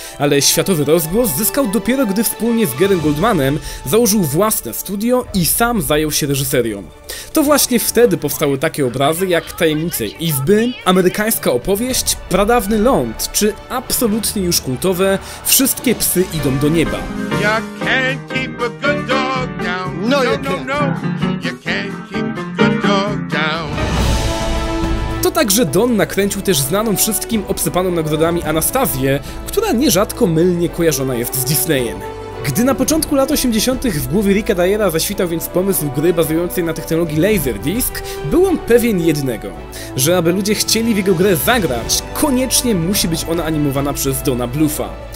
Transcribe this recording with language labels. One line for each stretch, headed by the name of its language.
Polish: Ale światowy rozgłos zyskał dopiero gdy wspólnie z Gerym Goldmanem założył własne studio i sam zajął się reżyserią. To właśnie wtedy powstały takie obrazy jak Tajemnice Izby, Amerykańska opowieść, Pradawny ląd czy absolutnie już kultowe Wszystkie psy idą do nieba.
English: You can't keep a good dog down. No, no, no, no. You can't keep a good dog down.
Polish: To także Don nakręcił też znaną wszystkim obsypaną nagrodami Anastazję, która nierzadko mylnie kojarzona jest z Disneyem. Gdy na początku lat 80. w głowie Ricka Dyera zaświtał więc pomysł gry bazującej na technologii Laserdisc, był on pewien jednego, że aby ludzie chcieli w jego grę zagrać, koniecznie musi być ona animowana przez Dona Blufa.